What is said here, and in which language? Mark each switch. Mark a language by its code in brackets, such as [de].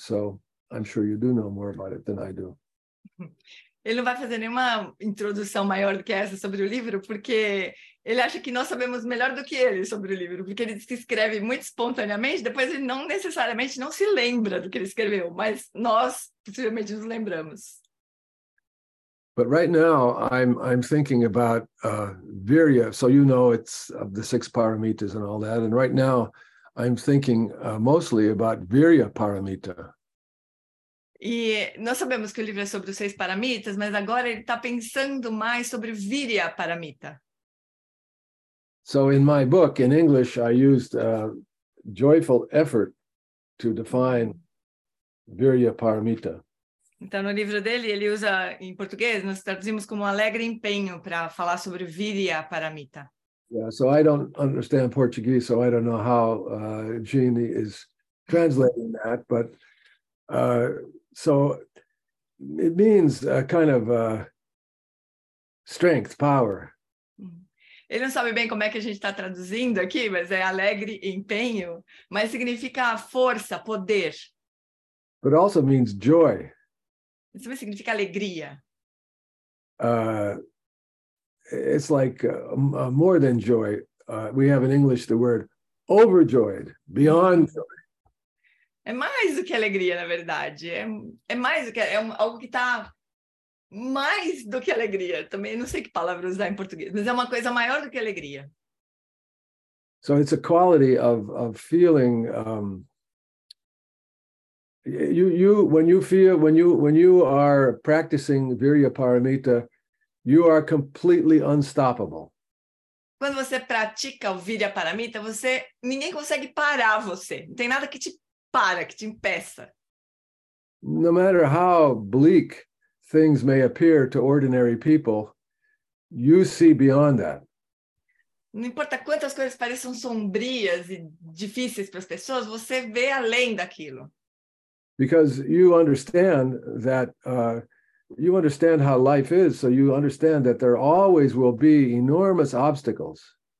[en] So I'm sure you do know more about it than I do. [pt] Ele não vai fazer nenhuma introdução maior do que essa sobre o livro, porque ele acha que nós sabemos melhor do que ele sobre o livro, porque ele diz que escreve muito espontaneamente, depois ele não necessariamente não se lembra do que ele escreveu, mas nós possivelmente nos lembramos. [en] But right now I'm thinking about Virya, so you know it's of the six paramitas and all that, and right now I'm thinking mostly about Virya paramita. [pt] E nós sabemos que o livro é sobre os seis paramitas, mas agora ele está pensando mais sobre Virya paramita. [en] So in my book in English I used a joyful effort to define Virya paramita. [pt] Então, no livro dele, ele usa, em português, nós traduzimos como alegre empenho para falar sobre Virya Paramita. [en] Yeah, so I don't understand Portuguese, so I don't know how Jeannie is translating that, but so it means a kind of strength, power. [pt] Ele não sabe bem como é que a gente está traduzindo aqui, mas é alegre empenho, mas significa força, poder. [en] But also means joy. [pt] Isso também significa alegria. [en] It's like more than joy. We have in English the word overjoyed, beyond joy. [pt] É mais do que alegria, na verdade. É mais do que algo que está mais do que alegria. Também não sei que palavra usar em português, mas é uma coisa maior do que alegria. [en] So it's a quality of feeling. When you are practicing Virya Paramita, you are completely unstoppable. [pt] Quando você pratica o Virya Paramita, você ninguém consegue parar você. Não tem nada que te para, que te impeça. [en] No matter how bleak things may appear to ordinary people, you see beyond that. [pt] Não importa quantas coisas pareçam sombrias e difíceis para as pessoas, você vê além daquilo. [en] Because you understand that you understand how life is, so you understand that there always will be enormous obstacles.